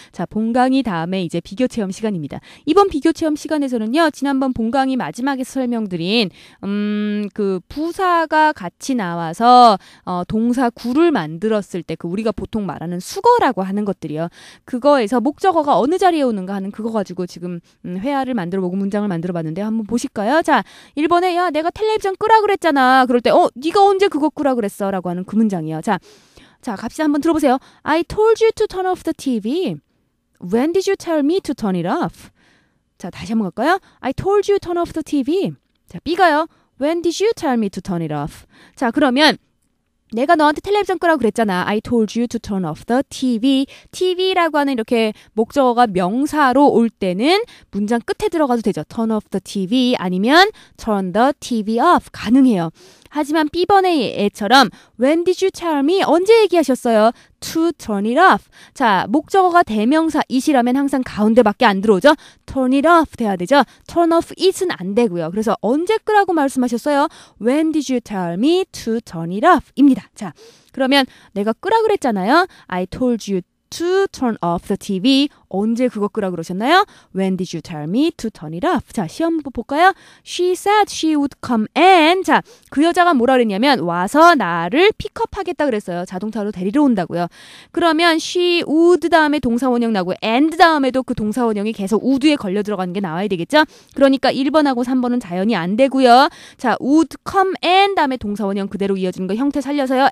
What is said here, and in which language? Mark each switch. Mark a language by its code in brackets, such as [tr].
[ko] 자, 본강의 다음에 이제 비교체험 시간입니다. 이번 비교체험 시간에서는요, 지난번 본강의 마지막에서 설명드린 그 부사가 같이 나와서 동사 구를 만들었을 때 그 우리가 보통 말하는 수거라고 하는 것들이요. 그거에서 목적어가 어느 자리에 오는가 하는 그거 가지고 지금 회화를 만들어 보고 문장을 만들어 봤는데 한번 보실까요? 자, 1번에 야, 내가 텔레비전 끄라 그랬잖아. 그럴 때 네가 언제 그거 끄라 그랬어라고 하는 그 문장이요. 자, 자, 갑시다. 한번 들어보세요. [en] I told you to turn off the TV. When did you tell me to turn it off? [ko] 자, 다시 한번 갈까요? [en] I told you to turn off the TV. [ko] 자, B가요. [en] When did you tell me to turn it off? [ko] 자, 그러면 내가 너한테 텔레비전 끄라고 그랬잖아. [en] I told you to turn off the TV. [ko] TV라고 하는 이렇게 목적어가 명사로 올 때는 문장 끝에 들어가도 되죠. [en] Turn off the TV [ko] 아니면 [en] turn the TV off [ko] 가능해요. 하지만 B번의 애처럼 [en] When did you tell me? [ko] 언제 얘기하셨어요? [en] To turn it off. [ko] 자, 목적어가 대명사이시라면 항상 가운데밖에 안 들어오죠. [en] Turn it off [ko] 돼야 되죠. [en] Turn off it [ko] 은 안 되고요. 그래서 언제 끄라고 말씀하셨어요? [en] When did you tell me to turn it off? [ko] 입니다. 자, 그러면 내가 끄라 그랬잖아요. [en] I told you to turn off the TV. [ko] 언제 그거 끄라 그러셨나요? [en] When did you tell me to turn it off? [ko] 자, 시험 한번 볼까요? [en] She said she would come and. [ko] 자, 그 여자가 뭐라 그랬냐면 와서 나를 픽업하겠다 그랬어요. 자동차로 데리러 온다고요. 그러면 she would 다음에 동사원형 나고 and 다음에도 그 동사원형이 계속 would에 걸려 들어가는 게 나와야 되겠죠? 그러니까 1번하고 3번은 자연히 안 되고요. 자, would come and 다음에 동사원형 그대로 이어지는 거 형태 살려서요.